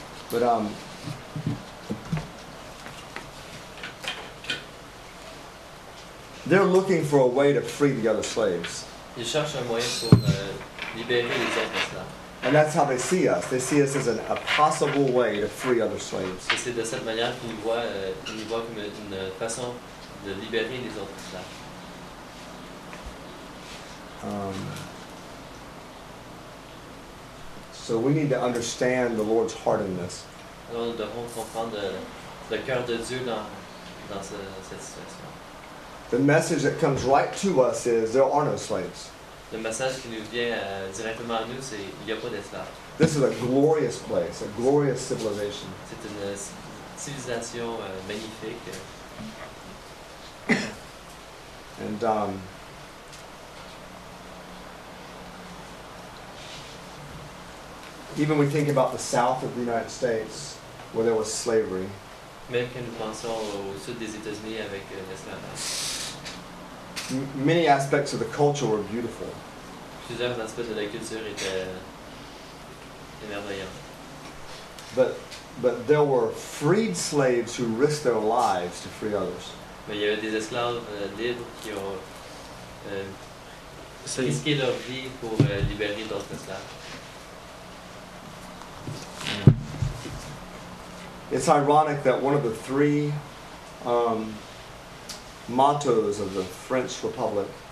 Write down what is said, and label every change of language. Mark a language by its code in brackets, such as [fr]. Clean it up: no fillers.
[en] But they're looking for a way to free the other slaves. [fr] Ils cherchent un moyen pour libérer les autres esclaves. [en] And that's how they see us. They see us as a possible way to free other slaves. [fr] Et c'est de cette manière qu'ils voient comme une façon de libérer les autres esclaves. [en] So we need to understand the Lord's heart in this. [fr] Alors, nous devons comprendre le cœur de Dieu dans cette situation. [en] The message that comes right to us is there are no slaves. [fr] Le message qui nous vient directement à nous, c'est il y a pas d'esclaves. [en] This is a glorious place, a glorious civilization. [fr] C'est une civilisation magnifique. [en] And even we think about the south of the United States, where there was slavery. [fr] Même quand nous pensons au sud des États-Unis avec l'esclavage. [en] Many aspects of the culture were beautiful. [fr] Plusieurs aspects de la culture étaient émerveillants. [en] But there were freed slaves who risked their lives to free others. [fr] Mais il y avait des esclaves libres qui ont risqué leur vie pour libérer d'autres esclaves. [en] It's ironic that one of the three mottos of the French Republic.